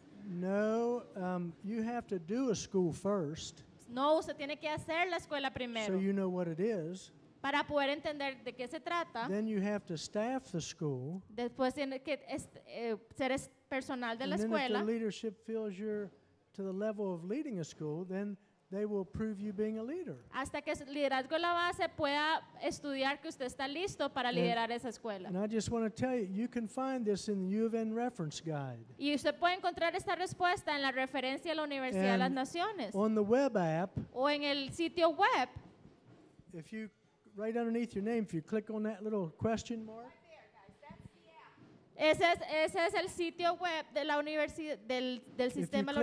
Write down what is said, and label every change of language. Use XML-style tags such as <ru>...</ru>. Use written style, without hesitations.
<en>No, you have to do a school first.</en> <es>No, usted tiene que hacer la escuela primero.</es> <en>So you know what it is.</en> <es>Para poder entender de qué se trata.</es> <en>Then you have to staff the school.</en> <es>Después tiene que ser personal de la escuela.</es> <en>And then if the leadership feels you're to the level of leading a school, then they will prove you being a leader.</en> <es>Hasta que el liderazgo de la base pueda estudiar que usted está listo para liderar esa escuela.</es> <en>And I just want to tell you, you can find this in the UofN reference guide.</en> <es>Y usted puede encontrar esta respuesta en la referencia de la Universidad de las Naciones.</es> <en>On the web app.</en> <es>O en el sitio web.</es> <en>If you right underneath your name, if you click on that little question mark. Right there, guys. That's the app.</en> <es>Ese es el sitio web de la universidad del sistema de la universidad.</es>